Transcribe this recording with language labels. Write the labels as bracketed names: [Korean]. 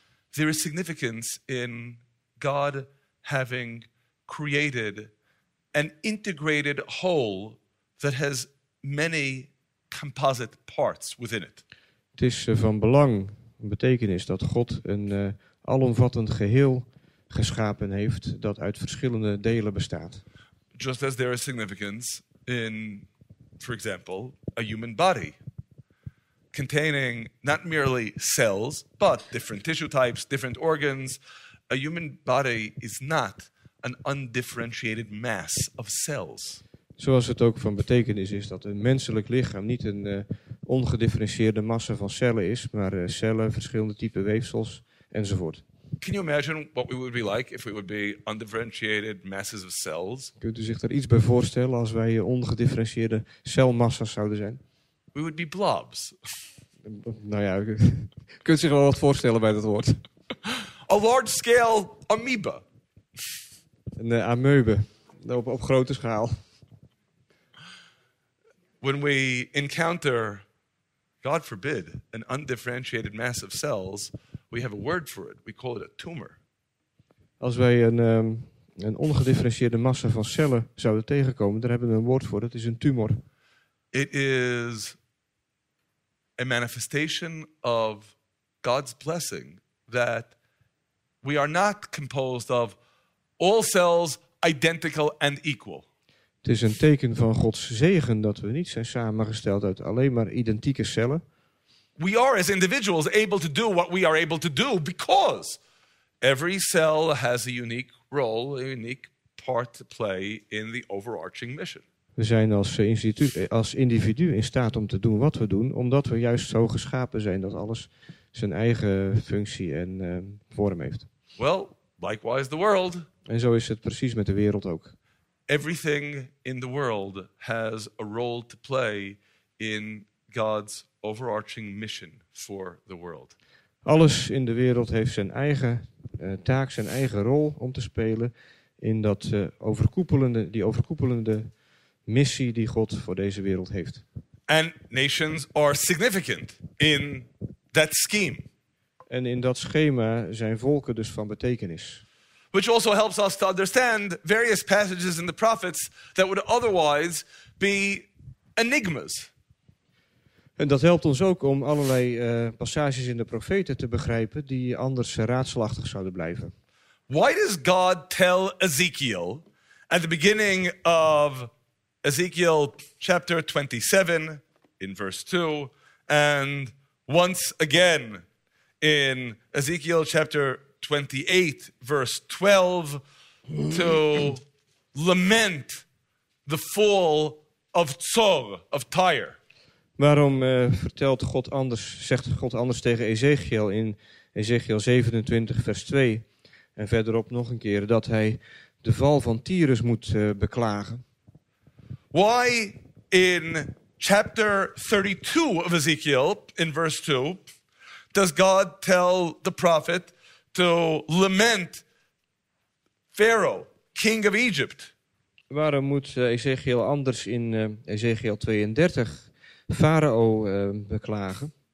[English] There is significance in God having created an integrated whole that has many composite parts within it. [Dutch] Het is van belang, een betekenis, dat God een alomvattend geheel geschapen heeft dat uit verschillende delen bestaat. [English] Just as there is significance in, for example, a human body containing not merely cells, but different tissue types, different organs. A human body is not an undifferentiated mass of cells. [Dutch] Zoals het ook van betekenis is dat een menselijk lichaam niet een ongedifferentieerde massa van cellen is, maar cellen, verschillende typen weefsels enzovoort. [English] Can you imagine what we would be like if we would be undifferentiated masses of cells? [Dutch] Kunt u zich daar iets bij voorstellen als wij ongedifferentieerde celmassa's zouden zijn? [English] We would be blobs. [Dutch] Nou ja, kunt u zich wel wat voorstellen bij dat woord? [English] A large scale amoeba. [Dutch] Een amoebe, op grote schaal. [English] When we encounter, God forbid, an undifferentiated mass of cells, we have a word for it. We call it a tumor. [Dutch] Als wij een ongedifferentieerde massa van cellen zouden tegenkomen, daar hebben we een woord voor. Dat is een tumor. [English] It is a manifestation of God's blessing that we are not composed of all cells identical and equal. [Dutch] Het is een teken van Gods zegen dat we niet zijn samengesteld uit alleen maar identieke cellen. [English] We are as individuals able to do what we are able to do because every cell has a unique role, a unique part to play in the overarching mission. [Dutch] We zijn als individu in staat om te doen wat we doen, omdat we juist zo geschapen zijn dat alles zijn eigen functie en vorm heeft. [English] Well, likewise the world. [Dutch] En zo is het precies met de wereld ook. [English] Everything in the world has a role to play in God's overarching mission for the world. [Dutch] Alles in de wereld heeft zijn eigen taak, zijn eigen rol om te spelen in dat overkoepelende missie die God voor deze wereld heeft. [English] And nations are significant in that scheme. [Dutch] En in dat schema zijn volken dus van betekenis. [English] Which also helps us to understand various passages in the prophets that would otherwise be enigmas. [Dutch] En dat helpt ons ook om allerlei passages in de profeten te begrijpen die anders raadselachtig zouden blijven. [English] Why does God tell Ezekiel at the beginning of Ezekiel chapter 27 in verse 2 And once again, in Ezekiel chapter 28, verse 12, to lament the fall of Tzor, of Tyre. [Dutch] Waarom vertelt God anders, zegt God anders tegen Ezekiel in Ezekiel 27, vers 2, en verderop nog een keer, dat hij de val van Tyrus moet beklagen? [English] Why in chapter 32 of Ezekiel, in verse 2, does God tell the prophet to lament Pharaoh, king of Egypt? [Dutch] Waarom moet Ezekiel anders in Ezekiel 32 Farao beklagen?